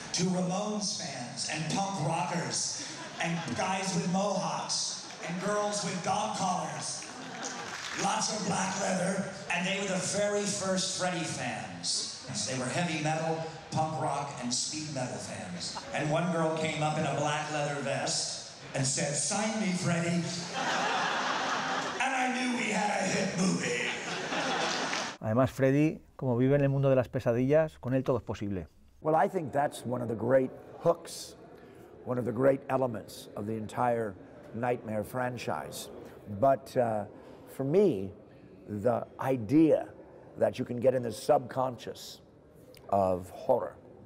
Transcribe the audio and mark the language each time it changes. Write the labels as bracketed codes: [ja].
[en] To Ramones fans and punk rockers and guys with mohawks, and girls with dog collars, lots of black leather, and they were the very first Freddy fans. So they were heavy metal, punk rock, and speed metal fans. And one girl came up in a black leather vest and said, "Sign me, Freddy." And I knew we had a hit movie. [es] Además, Freddy, como vive en el mundo de las pesadillas, con él todo es posible. [en] Well, I think that's one of the great hooks, one of the great elements of the entire Nightmare franchise, but for me, the idea that you can get in the subconscious of horror,